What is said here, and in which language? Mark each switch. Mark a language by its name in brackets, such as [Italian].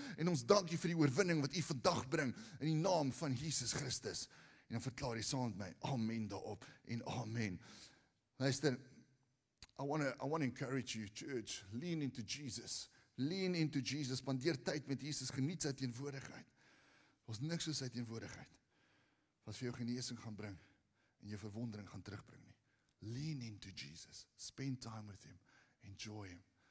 [Afrikaans] En ons dank je vir die oorwinning wat u vandag bring in die naam van Jesus Christus. En dan verklaar jy saam met my, amen daarop, en amen. [English] Luister, I want to encourage you, church, lean into Jesus. Lean into Jesus, [Afrikaans] spandeer tyd met Jesus, geniet sy teenwoordigheid. Was niks soos sy teenwoordigheid, wat vir jou geneesing gaan bring, en jou verwondering gaan terugbring nie. [English] Lean into Jesus, spend time with him, enjoy him.